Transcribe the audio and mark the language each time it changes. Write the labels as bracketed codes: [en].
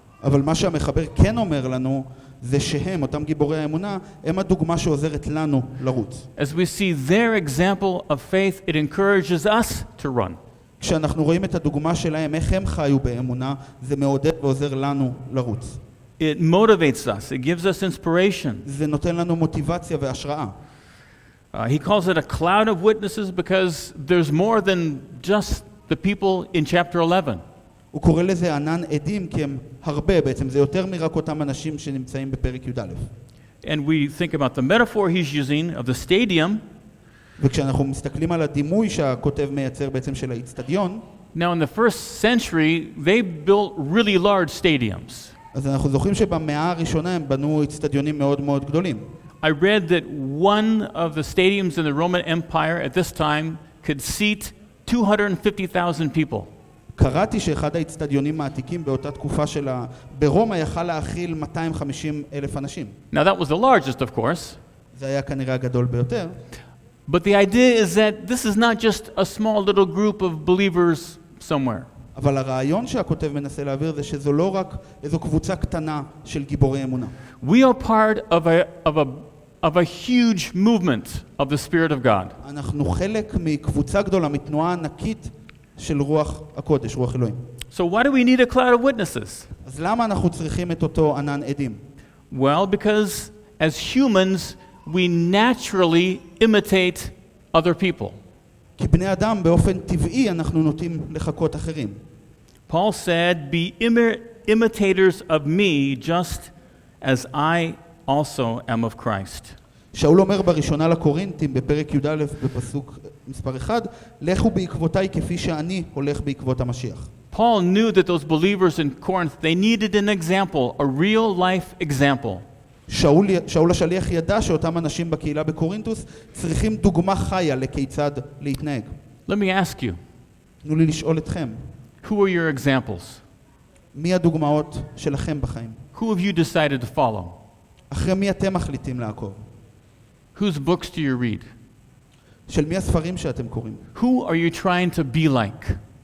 [he] אבל מה שהמחבר כן אומר לנו זה שהם, אותם גיבורי האמונה, הם הדוגמה שעוזרת לנו לרוץ. [en] As we see their example of faith, it encourages us to run. [he] כשאנחנו רואים את הדוגמה שלהם, איך הם חיו באמונה, זה מעודד ועוזר לנו לרוץ. [en] It motivates us. It gives us inspiration. [he] זה נותן לנו מוטיבציה והשראה. [en] He calls it a cloud of witnesses because there's more than just the people in chapter 11. [he] הוא קורא לזה ענן עדים כי הם הרבה, בעצם זה יותר מרק אותם אנשים שנמצאים בפרק י' א'. [en] And we think about the metaphor he's using of the stadium. [he] וכשאנחנו מסתכלים על הדימוי שהכותב מייצר בעצם של האצטדיון. [en] Now in the first century they built really large stadiums. [he] אז אנחנו זוכרים שבמאה הראשונה הם בנו אצטדיונים מאוד מאוד גדולים. [en] I read that one of the stadiums in the Roman Empire at this time could seat 250,000 people. [he] קראתי שאחד האצטדיונים העתיקים באותה תקופה של ברומא יכל להכיל 250,000 אנשים. [en] Now that was the largest of course. [he] זה היה כנראה הגדול ביותר. [en] But the idea is that this is not just a small little group of believers somewhere. [he] אבל הרעיון שהכותב מנסה להעביר זה שזו לא רק איזו קבוצה קטנה של גיבורי אמונה. [en] We are part of a huge movement of the Spirit of God. [he] אנחנו חלק מקבוצה גדולה, מתנועה ענקית של רוח הקודש, רוח אלוהים. [en] So why do we need a cloud of witnesses? [he] אז למה אנחנו צריכים את אותו ענן עדים? [en] Well, because as humans we naturally imitate other people. [he] כבני אדם באופן טבעי אנחנו נוטים לחקות אחרים. [en] Paul said, "Be imitators of me just as I also am of Christ." [he] שאול אומר בראשונה לקורינתים בפרק י' בפסוק מספר 1, "לכו בעקבותיי כפי שאני הולך בעקבות המשיח." [en] Paul knew that those believers in Corinth, they needed an example, a real life example. [he] שאול השליח ידע שאותם אנשים בקהילה בקורינתוס צריכים דוגמה חיה לכיצד להתנהג. [en] Let me ask you. [he] תנו לי לשאול אתכם. [en] Who are your examples? [he] מי הדוגמאות שלכם בחיים? [en] Who have you decided to follow? [he] אחרי מי אתם מחליטים לעקוב? [en] Whose books do you read? [he] של מי הספרים שאתם קוראים? [en] Who are you trying to be like?